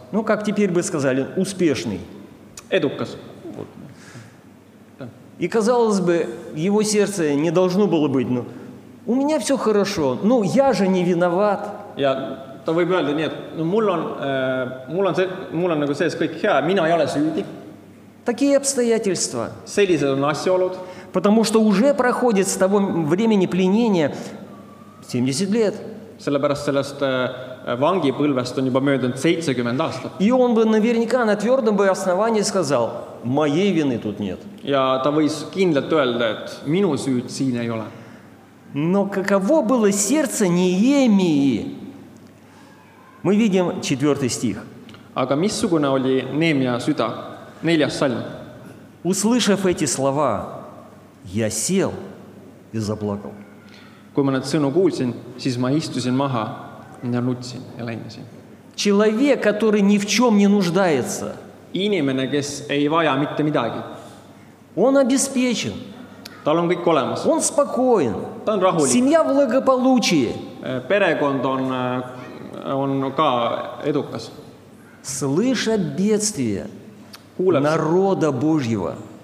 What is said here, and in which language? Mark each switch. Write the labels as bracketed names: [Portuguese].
[Russian] Ну, как теперь бы сказали, успешный. [Estonian] Edukas. [Russian] И казалось бы, его сердце не должно было быть, но у меня все хорошо, ну я же не виноват. [Estonian] Ja ta võib öelda nii, et mul on nagu sees kõik hea, mina ei ole süüdi. [Russian] Такие обстоятельства. [Estonian] Sellised on asjaolud. [Russian] Потому что уже проходит с того времени пленения 70 лет. [Estonian] Sellepärast sellest vangipõlvest on juba möödunud 70 aastat. [Russian] И он бы наверняка на твердом бы основании сказал, моей вины тут нет. [Estonian] Ja ta võis kindlalt öelda, et minu süüd siin ei ole. [Russian] Но каково было сердце Неемии? Мы видим 4 стих. [Estonian] Aga missugune oli Neemia süda? 4. Salm. [Russian] Услышав эти слова, я сел и заплакал. [Estonian] Kui ma need sõnu kuulsin, siis ma istusin maha ja nutsin ja lennisin. [Russian] Человек, который ни в чем не нуждается. [Estonian] Inimene, kes ei vaja mitte midagi. [Russian] Он обеспечен. [Estonian] Tal on kõik olemas. [Russian] Он спокоен. [Estonian] Ta on rahulik. [Russian] Семья благополучие. [Estonian] Перекond on ka edukas. [Russian] Слышат бедствие народа Божьего.